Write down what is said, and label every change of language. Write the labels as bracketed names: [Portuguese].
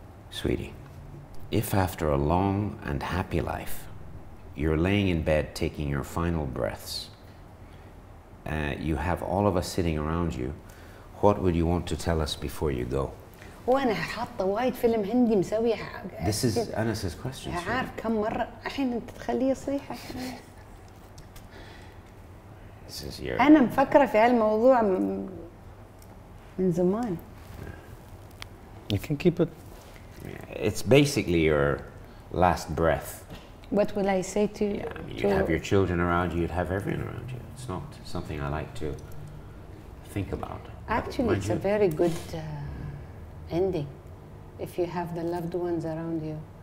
[English] Sweetie, if after a long and happy life, you're laying in bed taking your final breaths, you have all of us sitting around you, what would you want to tell us before you go? [Arabic] وأنا حاطة وايد فيلم هندي مسوي حاجة. [English] This is Anas's question. [Arabic] عارف كم مرة الحين أنت تخليه يصيح. [English] This is your. [Arabic] أنا مفكرة في هالموضوع من زمان. [English] You can keep it. It's basically your last breath. What will I say to you? Yeah, I mean, you'd have your children around you, you'd have everyone around you. It's not something I like to think about. Actually, it's a very good ending if you have the loved ones around you.